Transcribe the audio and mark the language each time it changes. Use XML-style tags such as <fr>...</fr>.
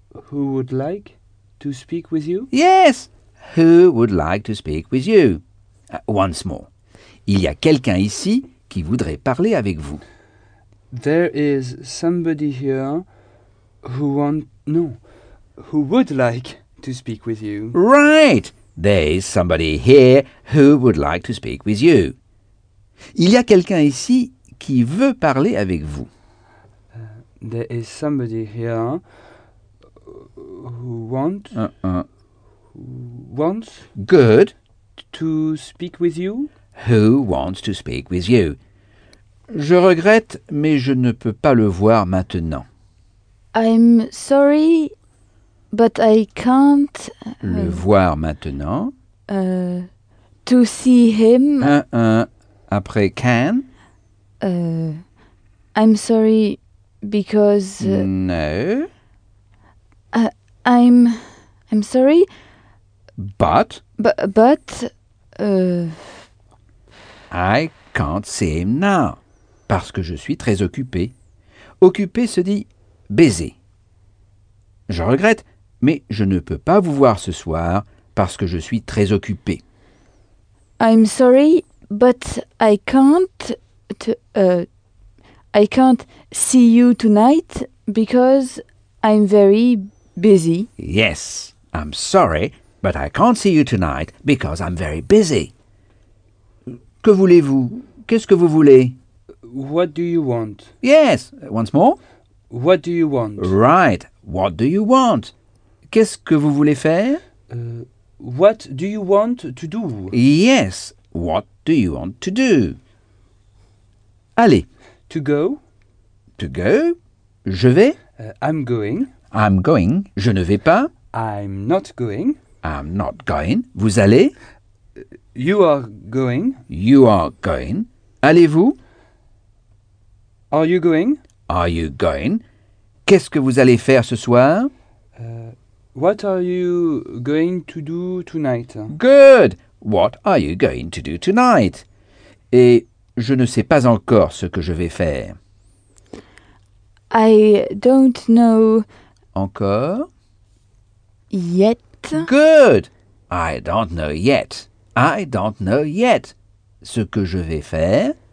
<en>Who would like to speak with you? Yes! Who would like to speak with you? Once more.</en> <fr>Il y a quelqu'un ici qui voudrait parler avec vous.</fr> <en>There is somebody here who want... No, who would like to speak with you. Right! There is somebody here who would like to speak with you.</en> <fr>Il y a quelqu'un ici qui veut parler avec vous.</fr> <en>There is somebody here who want... Wants... Good. To speak with you? Who wants to speak with you?</en> <fr>Je regrette, mais je ne peux pas le voir maintenant.</fr> <en>I'm sorry, but I can't...</en> <fr>Le voir maintenant.</fr> <en>To see him.</en> <fr>Après can.</fr> <en>I'm sorry, because... No. I'm sorry. But... But... I can't see him now,</en> <fr>parce que je suis très occupé. Occupé se dit busy. Je regrette, mais je ne peux pas vous voir ce soir parce que je suis très occupé.</fr> <en>I'm sorry, but I can't I can't see you tonight because I'm very busy. Yes, I'm sorry. But I can't see you tonight because I'm very busy.</en> <fr>Que voulez-vous? Qu'est-ce que vous voulez?</fr> <en>What do you want? Yes, once more. What do you want? Right, what do you want?</en> <fr>Qu'est-ce que vous voulez faire?</fr> <en>What do you want to do? Yes, what do you want to do?</en> <fr>Allez.</fr> <en>To go. To go.</en> <fr>Je vais.</fr> <en>I'm going. I'm going.</en> <fr>Je ne vais pas.</fr> <en>I'm not going. I'm not going.</en> <fr>Vous allez?</fr> <en>You are going. You are going.</en> <fr>Allez-vous?</fr> <en>Are you going? Are you going?</en> <fr>Qu'est-ce que vous allez faire ce soir?</fr> <en>What are you going to do tonight? Good! What are you going to do tonight?</en> <fr>Et je ne sais pas encore ce que je vais faire.</fr> <en>I don't know...</en> <fr>Encore?</fr> <en>Yet. Good! I don't know yet. I don't know yet.</en> <fr>Ce que je vais faire.</fr>